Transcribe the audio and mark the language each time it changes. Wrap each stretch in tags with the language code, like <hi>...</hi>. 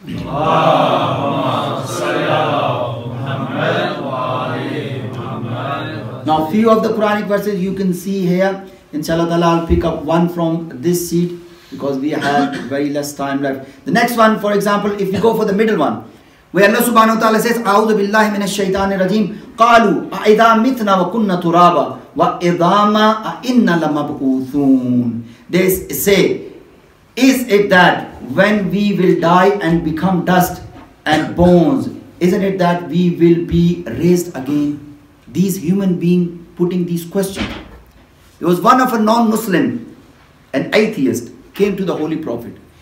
<ar>Allahumma salli ala Muhammad wa ali Muhammad.</ar> <en>Now, few of the Quranic verses you can see here. Inshallah, I'll pick up one from this seat because we have very less time left. The next one, for example, if you go for the middle one,</en> <ur>وہ اللہ سبحانہ وتعالی سے</ur> <ar>اعوذ باللہ من الشیطان الرجیم قالوا اذا متنا وکنا ترابا و عظاما انا لمبعوثون.</ar> <en>This say, is it that when we will die and become dust and bones, isn't it that we will be raised again? These human beings putting these questions. There was one of a non-Muslim, an atheist, came to the Holy Prophet.</en>